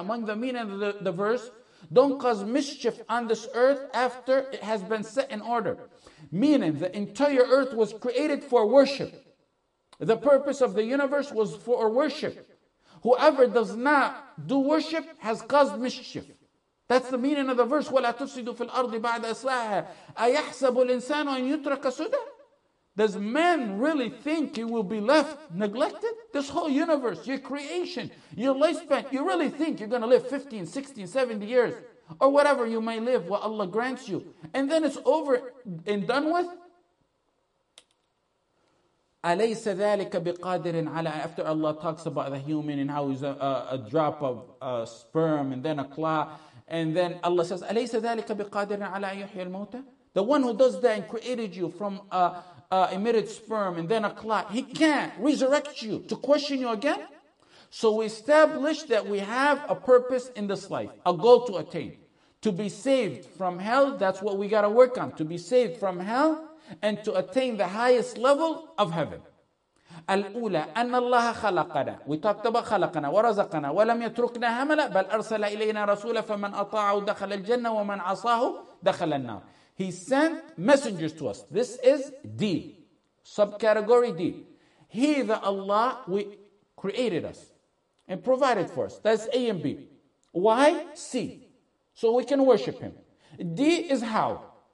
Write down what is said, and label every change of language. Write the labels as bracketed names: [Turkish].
[English] Among the meaning of the verse, don't cause mischief on this earth after it has been set in order. Meaning the entire earth was created for worship. The purpose of the universe was for worship. Whoever does not do worship has caused mischief. That's the meaning of the verse, [Arabic] وَلَا تُفْسِدُوا فِي الْأَرْضِ بَعْدَ أَصْلَاحَهَا أَيَحْسَبُ الْإِنسَانُ أَنْ يُتْرَكَ سُدًى. [English] Does man really think he will be left neglected? This whole universe, your creation, your lifespan, you really think you're going to live 15, 16, 70 years or whatever you may live, what Allah grants you, and then it's over and done with? [Arabic] أَلَيْسَ ذَلِكَ بِقَادِرٍ عَلَىٰ. [English] After Allah talks about the human and how he's a drop of sperm and then a clot, and then Allah says, [Arabic] أَلَيْسَ ذَلِكَ بِقَادِرٍ عَلَىٰ يُحْيَ الْمَوْتَ. [English] The one who does that and created you from emitted sperm and then a clot, he can't resurrect you to question you again. So we establish that we have a purpose in this life, a goal to attain. To be saved from hell, that's what we got to work on. To be saved from hell and to attain the highest level of heaven. [Arabic] الأولى أن الله خلقنا. [English] We talked about [Arabic] خلقنا ورزقنا ولم يتركنا هملا بل أرسل إلينا رسولا فمن أطاعه دخل الجنة ومن عصاه دخل النار. [English] He sent messengers to us. This is D, subcategory D. He, the Allah, we created us and provided for us. That's A and B. Y, C, so we can worship him. D is how.